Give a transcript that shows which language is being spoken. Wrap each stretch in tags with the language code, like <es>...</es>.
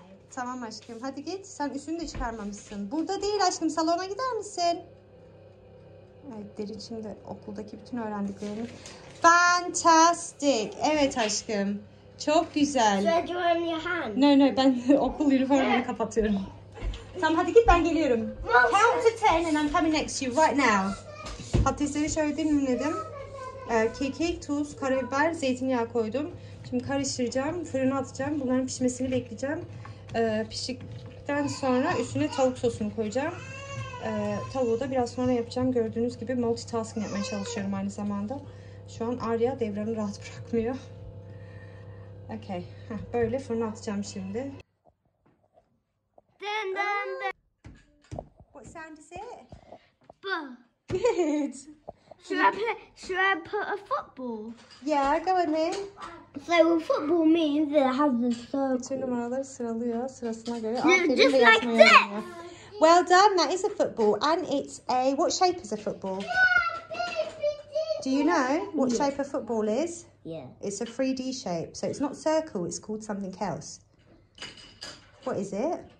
<tr>Tamam aşkım. Hadi git. Sen üstünü de çıkarmamışsın. Burada değil aşkım. Salona gider misin? Evet, deri içinde okuldaki bütün öğrendiklerini. Fantastic. Evet aşkım. Çok güzel. No, ben okul üniformamı kapatıyorum. Tamam hadi git, ben geliyorum.</tr> <en>Count to 10 and I'm coming next to you right now.</en> <tr>Patatesleri şöyle dinledim. Kekik, tuz, karabiber, zeytinyağı koydum. Şimdi karıştıracağım, fırına atacağım. Bunların pişmesini bekleyeceğim. Piştikten sonra üstüne tavuk sosunu koyacağım. Tavuğu da biraz sonra yapacağım. Gördüğünüz gibi multitasking yapmaya çalışıyorum aynı zamanda. Şu an Arya devranı rahat bırakmıyor. Okay. Böyle fırına atacağım şimdi. Dın dın dın.</tr> <en>What sound is it? football. Good. Should I put a football? Yeah, go on then. So football means that it has a circle.</en> <tr>Bütün numaraları sıralıyor, sırasına göre.</tr> <en>No, just like this. Well done, that is a football. And it's a, what shape is a football? Do you know what shape a football is? Yeah. It's a 3D shape. So it's not circle, it's called something else. What is it?</en>